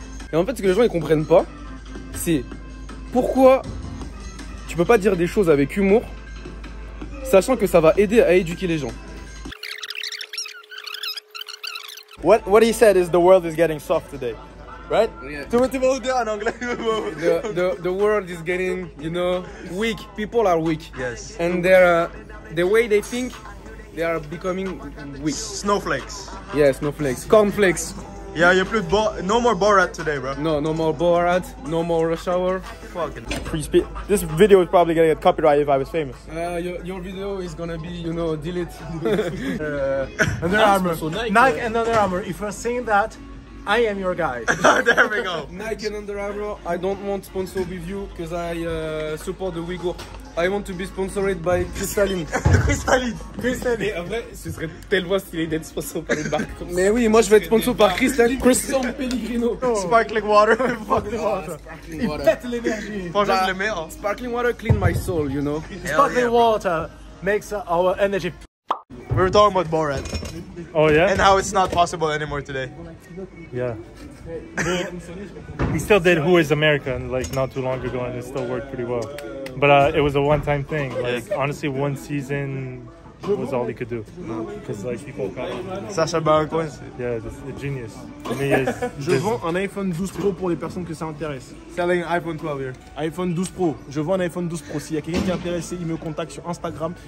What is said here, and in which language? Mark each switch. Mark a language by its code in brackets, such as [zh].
[fr] Et en fait, ce que les gens, ils comprennent pas, c'est pourquoi tu peux pas dire des choses avec humour, sachant que ça va aider à éduquer les gens. [en] What he said is the world is getting soft today, right? Yeah. [fr] Tu veux dire en anglais? [en] The world is getting, you know, weak. People are weak. Yes. And the way they think, they are becoming weak. Snowflakes. Yeah, snowflakes. Cornflakes. Yeah, you put no more Borat today, bro. No more Borat, no more Rush Hour. Fucking free speech. This video is probably gonna get copyrighted if I was famous. Your video is gonna be, you know, deleted. Under Armour. Nike and Under Armour. If you're saying that, I am your guy. There we go. Nike and Under Armour. I don't want sponsor with you because I support the Uyghur. I want to be sponsored by Cristaline. Cristaline. [fr] Mais en vrai, ce serait tellement stylé d'être sponsor par une marque comme ça. Mais oui, moi je vais être sponsor par Cristaline. Cristian Pellegrino. [en] Sparkling water. Sparkling water. [fr] Il pète l'énergie. Faut le meilleur. [en] Sparkling water clean my soul, you know. Hell sparkling yeah, water makes our energy. We were talking about Borat. Oh yeah? And how it's not possible anymore today. Yeah. He still did Who is America like not too long ago and it still worked pretty well. But it was a one-time thing. Like honestly, one season was all he could do. Because like people kind of... Sacha Baron Cohen. Yeah, just a genius. And he is... [fr] Je vends un iPhone 12 Pro pour les personnes que ça intéresse. [en] Selling iPhone 12 here. iPhone 12 Pro. [fr] Je vends un iPhone 12 Pro. S'il y a quelqu'un qui est intéressé, il me contacte sur Instagram.